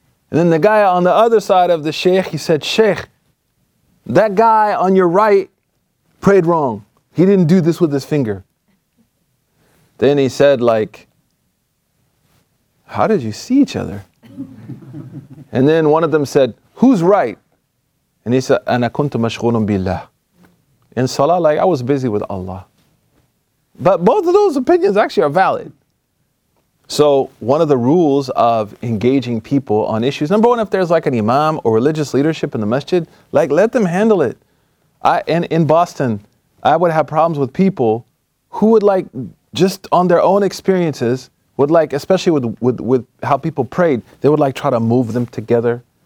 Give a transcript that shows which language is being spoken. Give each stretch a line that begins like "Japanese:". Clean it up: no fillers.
English: And then the guy on the other side of the Sheikh, he said, Sheikh, that guy on your right prayed wrong. He didn't do this with his finger. Then he said, like, how did you see each other? And then one of them said, who's right? And he said,
Arabic: أَنَا كُنْتُ مَشْغُولٌ بِاللَّهِ.
English: In Salah, like, I was busy with Allah. But both of those opinions actually are valid. So one of the rules of engaging people on issues, number one, if there's like an imam or religious leadership in the masjid, like, let them handle it. In Boston, I would have problems with people who would, like, just on their own experiences, would, like, especially with how people prayed, they would like try to move them together.